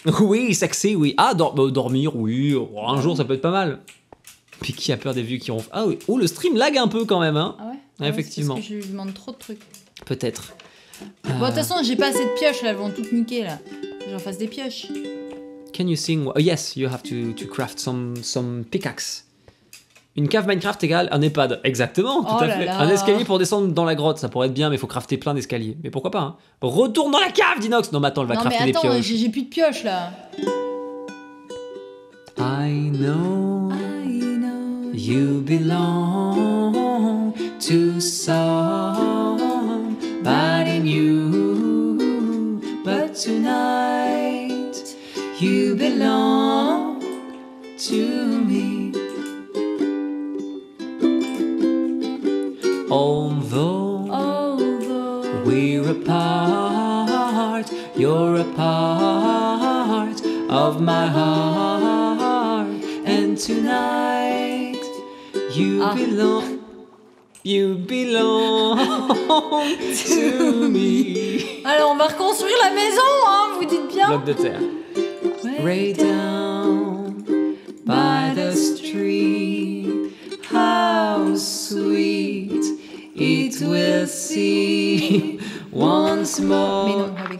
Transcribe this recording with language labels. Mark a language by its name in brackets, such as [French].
[French] Oui, sexy, oui. Ah, dormir, oui. Un jour, ça peut être pas mal. Mais qui a peur des vieux qui ronflent? Ah oui. Oh, le stream lag un peu, quand même. Hein. Ah ouais? Effectivement. Parce que je lui demande trop de trucs. Peut-être. Bon, de toute façon, j'ai pas assez de pioches, là. Elles vont toutes niquer, là. J'en fasse des pioches. [English] Can you sing? Yes, you have to craft some pickaxe. [French] Une cave Minecraft égale un EHPAD. Exactement, tout oh à fait. Un escalier pour descendre dans la grotte, ça pourrait être bien, mais il faut crafter plein d'escaliers. Mais pourquoi pas, hein? Retourne dans la cave, Dinox. Non, mais attends, elle va crafter des pioches. Non, mais attends, j'ai plus de pioches, là. [English] I know you belong to somebody new, but tonight you belong to me. Although we're apart, you're a part of my heart, and tonight you belong, you belong to me. [French] Alors on va reconstruire la maison, hein, vous dites bien. Bloc de terre. [English] Way down by the street, how sweet it will see once more,